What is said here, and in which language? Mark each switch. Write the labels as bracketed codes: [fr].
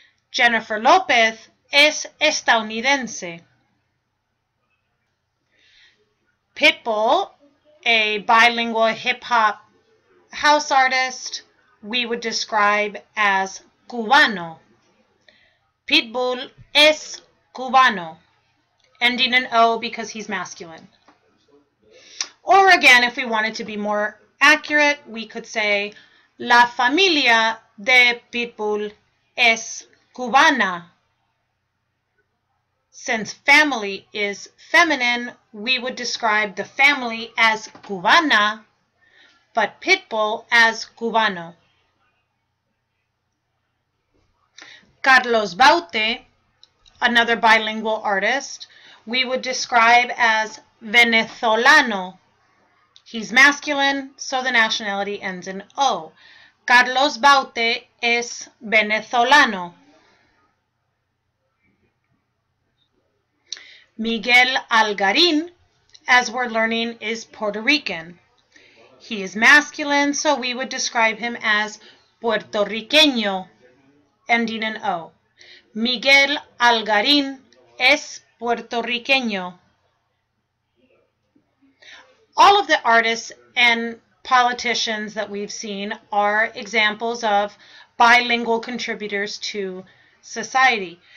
[es] Jennifer Lopez es estadounidense. [en] Pitbull, a bilingual hip-hop house artist, we would describe as cubano. [es] Pitbull es cubano, [en] ending in O because he's masculine. Or again, if we wanted to be more accurate, we could say [es] la familia de Pitbull es cubana. [en] Since family is feminine, we would describe the family as cubana, but Pitbull as cubano. Carlos Baute, another bilingual artist, we would describe as venezolano. He's masculine, so the nationality ends in O. [es] Carlos Baute es venezolano. [en] Miguel Algarín, as we're learning, is Puerto Rican. He is masculine, so we would describe him as puertorriqueño, ending in O. [es] Miguel Algarín es puertorriqueño. [en] All of the artists and politicians that we've seen are examples of bilingual contributors to society.